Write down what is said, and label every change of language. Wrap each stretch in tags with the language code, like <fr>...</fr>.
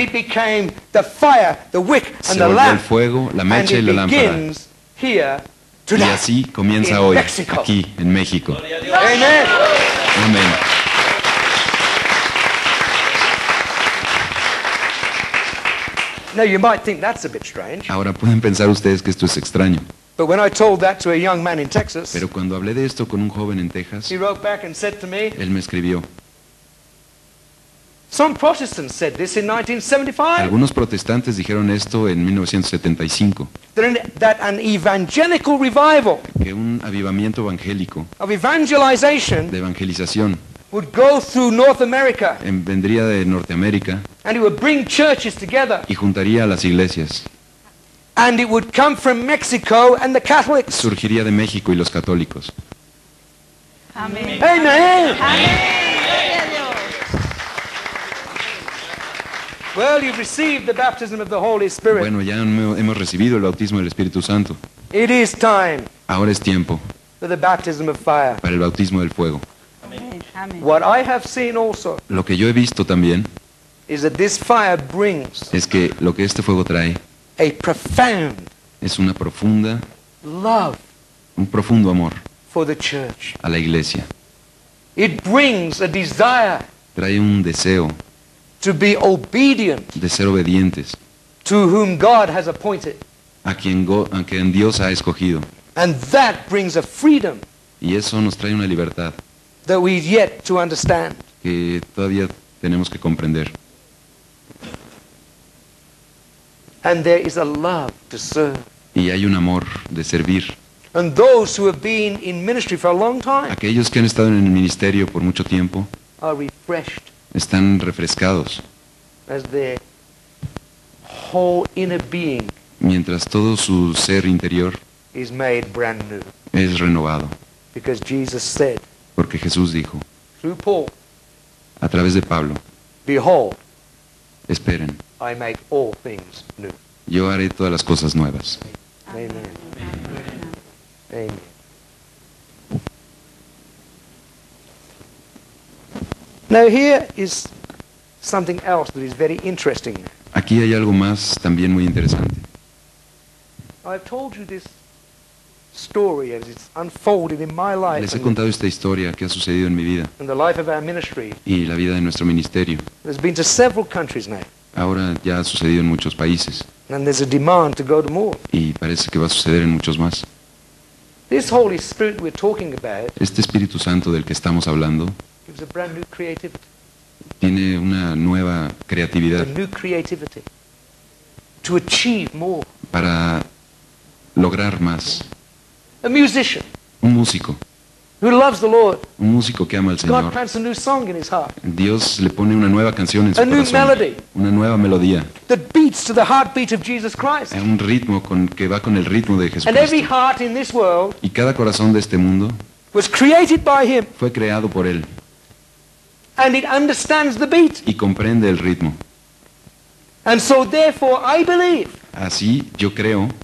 <en>Y became the fire, the wick, and the lamp.</en> <es>Se volvió el fuego, la mecha y la lámpara. Y así comienza hoy, Mexico. Aquí, en México.</es> <en>Amen.</en> <es>Amen.</es> <en>Now you might think that's a bit strange.</en> <es>Ahora pueden pensar ustedes que esto es extraño.</es> <en>But when I told that to a young man in Texas,</en> <es>pero cuando hablé de esto con un joven en Texas,</es> <en>he wrote back and said to me,</en> <es>él me escribió,</es> <en>some Protestants said this in 1975.</en> <es>Algunos protestantes dijeron esto en 1975.</es> <en>That an evangelical revival.</en> <es>Que un avivamiento evangélico.</es> <en>Of evangelization.</en> <es>De evangelización.</es> <en>Would go through North America.</en> <es>Vendría de Norteamérica.</es> <en>And it would bring churches together.</en> <es>Y juntaría a las iglesias.</es> <en>And it would come from Mexico and the Catholics.</en> <es>Surgiría de México y los católicos. Amén. Amén. Amén.</es> <en>Well, you've received the baptism of the Holy Spirit.</en> <es>Bueno, ya hemos recibido el bautismo del Espíritu Santo.</es> <en>It is time.</en> <es>Ahora es tiempo.</es> <en>For the baptism of fire.</en> <es>Para el bautismo del fuego.</es> <en>Amen. What I have seen also.</en> <es>Lo que yo he visto también.</es> <en>Is that this fire brings.</en> <es>Es que lo que este fuego trae.</es> <en>A profound.</en> <es>Es una profunda.</es> <en>Love.</en> <es>Un profundo amor.</es> <en>For the church.</en> <es>A la iglesia.</es> <en>It brings a desire.</en> <es>Trae un deseo.</es> <en>To be obedient,</en> <es>de ser obedientes,</es> <en>to whom God has appointed,</en> <es>a quien Dios ha escogido,</es> <en>and that brings a freedom,</en> <es>y eso nos trae una libertad,</es> <en>that we yet to understand,</en> <es>que todavía tenemos que comprender,</es> <en>and there is a love to serve,</en> <es>y hay un amor de servir,</es> <en>and those who have been in ministry for a long time,</en> <es>aquellos que han estado en el ministerio por mucho tiempo,</es> <en>are refreshed.</en> <es>Están refrescados.</es> <en>As their whole inner being.</en> <es>Mientras todo su ser interior.</es> <en>Is made brand new.</en> <es>Es renovado.</es> <en>Because Jesus said.</en> <es>Porque Jesús dijo.</es> <en>Through Paul.</en> <es>A través de Pablo.</es> <en>Behold.</en> <es>Esperen.</es> <en>I make all things new.</en> <es>Yo haré todas las cosas nuevas.</es> <en>Amen. Amen. Amen. Now here is something else that is very interesting.</en> <es>Aquí hay algo más también muy interesante.</es> <en>I've told you this story as it's unfolded in my life.</en> <es>Les he contado esta historia que ha sucedido en mi vida.</es> <en>In the life of our ministry.</en> <es>Y la vida de nuestro ministerio.</es> <en>It's been to several countries now.</en> <es>Ahora ya ha sucedido en muchos países.</es> <en>And there's a demand to go to more.</en> <es>Y parece que va a suceder en muchos más.</es> <en>This Holy Spirit we're talking about.</en> <es>Este Espíritu Santo del que estamos hablando.</es> <en>It's a brand new creativity.</en> <es>Tiene una nueva creatividad.</es> <en>It's a new creativity. to achieve more.</en> <es>Para lograr más.</es> <en>A musician.</en> <es>Un músico.</es> <en>Who loves the Lord.</en> <es>Un músico que ama al Señor.</es> <en>God plants a new song in his heart.</en> <es>Dios le pone una nueva canción en su corazón.</es> <en>A new melody.</en> <es>Una nueva melodía.</es> <en>That beats to the heartbeat of Jesus Christ.</en> <es>Un ritmo con que va con el ritmo de Jesucristo.</es> <en>And every heart in this world.</en> <es>Y cada corazón de este mundo.</es> <en>Was created by him.</en> <es>Fue creado por él.</es> <en>And it understands the beat.</en> <es>Y comprende el ritmo.</es> <en>And so therefore I believe.</en> <es>Así yo creo.</es>